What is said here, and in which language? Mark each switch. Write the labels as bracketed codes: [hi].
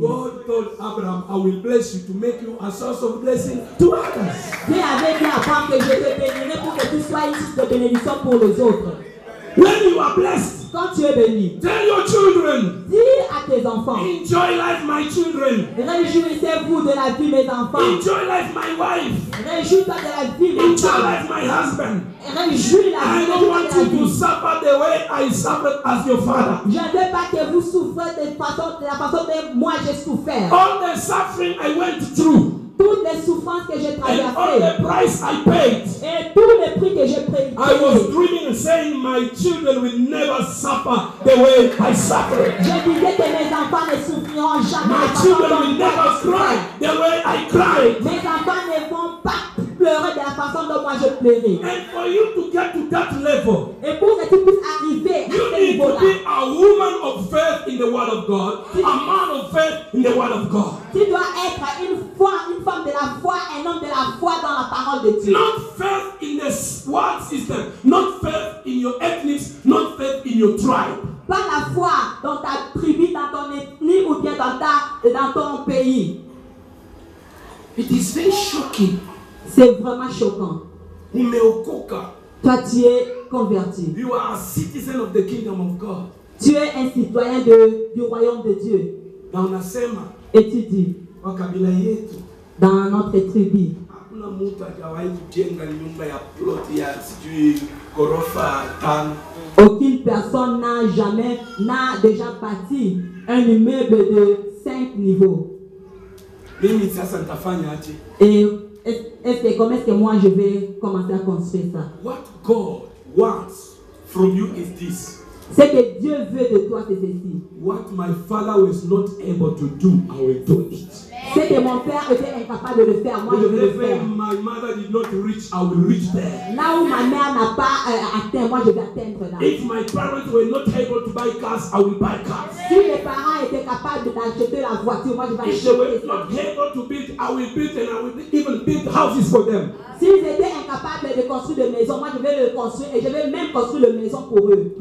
[en] God told Abraham, I will bless you to make you a source of blessing to others. [fr] Dieu avait dit à Abraham que je te bénirai pour que tu sois une source de bénédiction pour les autres. [en] When you are blessed, [fr] quand tu es béni, [en] tell your children, [fr] dis à tes enfants, [en] enjoy life, my children. [fr] Réjouissez-vous de la vie, mes enfants. [en] Enjoy life, my wife. [fr] Réjouis-toi de la vie, mes enfants. [en] Enjoy life, my husband. [fr] Réjouis la vie. [en] I don't want you to suffer the way I suffered as your father. [fr] Je ne veux pas que vous souffrez de la façon dont moi j'ai souffert. [en] All the suffering I went through. [fr] Toutes les souffrances que j'ai traversées et tous les prix que j'ai payés. [en] I was dreaming and saying my children will never suffer the way I suffered. [fr] Je disais que mes enfants ne souffriront jamais. [en] My children will never cry the way I cried. [fr] Mes enfants ne vont pas pleurer de la façon dont moi je pleurais. [en] And for you to get to that level, [fr] et pour que tu puisses arriver à [en] you [fr] ce [en] need [fr] niveau-là, [en] to be a woman of faith in the word of God, a man of faith in the word of God. [fr] Tu dois être une foi, une femme de la foi, un homme de la foi dans la parole de Dieu. [en] Not faith in the world system, not faith in your ethnic, not faith in your tribe. [fr] Pas la foi dans ta tribu, dans ton ethnie ou bien dans ton pays. [en] It is very shocking. [fr] C'est vraiment choquant. [sw] Umeokoka. [fr] Toi, tu es converti. [en] You are a citizen of the kingdom of God. [fr] Tu es un citoyen du royaume de Dieu. Dans la sema. Et tu dis. [sw] Wa kabila yetu. [fr] Dans notre tribu. [sw] Hakuna mtu hajawahi kujenga nyumba ya plot ya sijui gorofa tano. [fr] Aucune personne n'a déjà bâti un immeuble de 5 niveaux. [sw] Mimi sasa nitafanya aje? [fr] Est-ce que moi je vais commencer à construire ça? [en] What God wants from you is this. [fr] Ce que Dieu veut de toi, c'est ceci. [en] What my father was not able to do, I will do it. [fr] Ce que mon père était incapable de le faire, moi je vais le faire. [en] My mother did not reach, I will reach there. [fr] Là où ma mère n'a pas atteint, moi je vais atteindre là. [en] If my parents were not able to buy cars, I will buy cars. [fr] Si mes parents étaient capables d'acheter la voiture, moi je vais acheter. [en] If they were not able to build, I will build and I will even build houses for them. [fr] S'ils étaient incapables de construire des maisons, moi je vais le construire et je vais même construire des maisons pour eux.